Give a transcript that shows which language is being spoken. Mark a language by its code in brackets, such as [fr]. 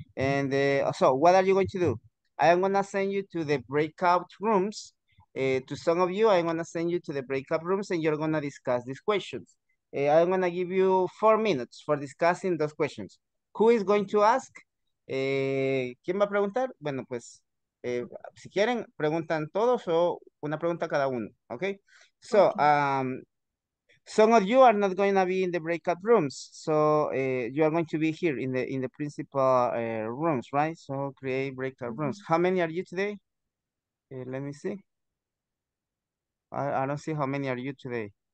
[en] And so what are you going to do? I am going to send you to the breakout rooms. To some of you, I'm going to send you to the breakout rooms and you're going to discuss these questions. I'm going to give you 4 minutes for discussing those questions. Who is going to ask? [es] ¿Quién va a preguntar? Bueno, pues, si quieren, preguntan todos o una pregunta cada uno, okay? [en] So, some of you are not going to be in the breakout rooms, so you are going to be here in the principal rooms, right? So, create breakout rooms. How many are you today? Let me see. I don't see how many are you today.